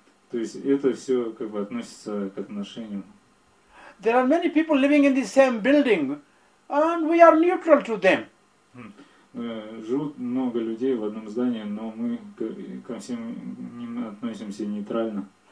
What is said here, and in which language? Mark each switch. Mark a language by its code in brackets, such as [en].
[ru] То есть это все как бы относится к отношениям. [en] There are many people living in the same building, and we are neutral to them. [ru] Живут много людей в одном здании, но мы ко всем ним относимся нейтрально.